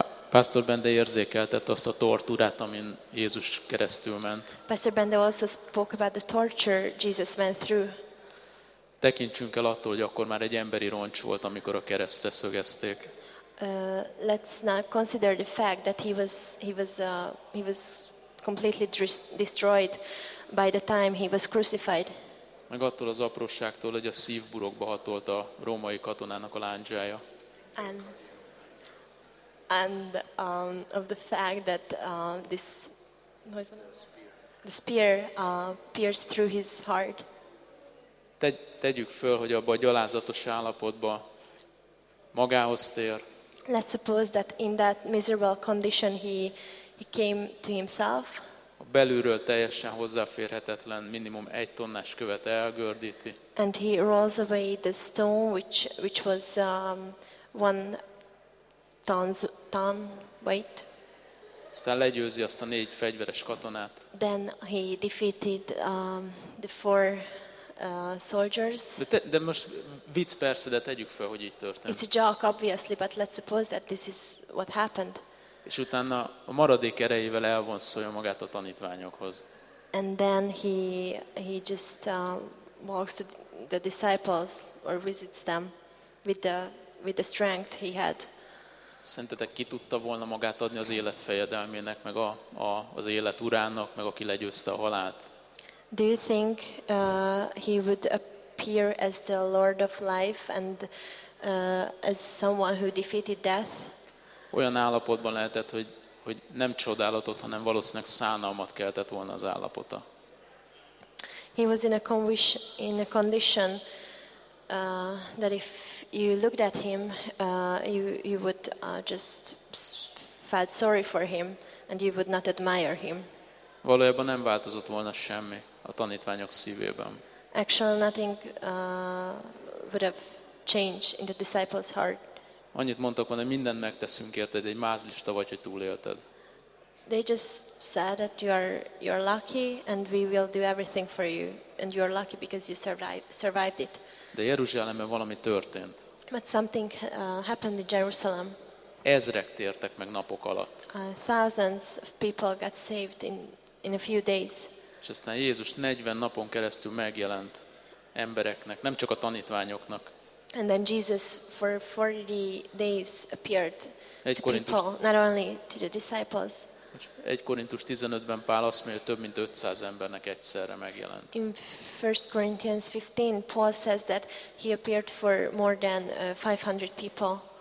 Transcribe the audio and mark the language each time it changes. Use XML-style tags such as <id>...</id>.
<hu>Pastor Bende érzékeltett azt a tortúrát, amin Jézus keresztül ment.</hu> <en>Pastor Bende also spoke about the torture Jesus went through.</en> <hu>Tekintsünk el attól, hogy akkor már egy emberi roncs volt, amikor a keresztre szögezték.</hu> <en>Let's not consider the fact that he was completely destroyed by the time he was crucified.</en> <hu>Meg attól az apróságtól, hogy a szívburokba hatolt a római katonának a lándzsája.</hu> <en>And of the fact that the spear pierced through his heart.</en> <hu>Tegyük föl, hogy abba a gyalázatos állapotba magához tér.</hu> <en>Let's suppose that in that miserable condition he came to himself.</en> <hu>A belülről teljesen hozzáférhetetlen minimum egy tonnás követ elgördíti.</hu> <en>And he rolls away the stone which was one ton weight.</en> <hu>Aztán legyőzi azt a négy fegyveres katonát.</hu> <en>Then he defeated the four soldiers.</en> <hu>De most vicc persze, de tegyük fel, hogy így történt.</hu> <en>It's a joke obviously, but let's suppose that this is what happened.</en> <hu>És utána a maradék erejével elvonszolja magát a tanítványokhoz.</hu> <en>And then he just walks to the disciples or visits them with the strength he had.</en> <hu>Szerintetek ki tudta volna magát adni az élet fejedelmének, meg az élet urának, meg aki legyőzte a halált?</hu> <en>Do you think he would appear as the Lord of Life and as someone who defeated death?</en> <hu>Olyan állapotban lehetett, hogy nem csodálatot, hanem valószínűleg szánalmat keltett volna az állapota.</hu> <en>He was in a condition that if you looked at him, you would just felt sorry for him and you would not admire him.</en> <hu>Valójában nem változott volna semmi a tanítványok szívében.</hu> <en>Actually, nothing would have changed in the disciples' heart.</en> <hu>Annyit mondtak volna, hogy mindent megteszünk érted, egy mázlista vagy, hogy túlélted.</hu> <en>They just said that you're lucky and we will do everything for you and you're lucky because you survived it.</en> <hu>De Jeruzsálemben valami történt.</hu> <en>But something happened in Jerusalem.</en> <hu>Ezrek tértek meg napok alatt.</hu> <en>Thousands of people got saved in a few days.</en> <hu>És aztán Jézus 40 napon keresztül megjelent embereknek, nem csak a tanítványoknak.</hu> <en>And then Jesus for 40 days appeared to people, not only to the disciples.</en> <hu>1 Korintus 15-ben Pál azt mondja, hogy több mint 500 embernek egyszerre megjelent.</hu> <en>In 1 Corinthians 15, Paul says that he appeared for more than 500 people.</en>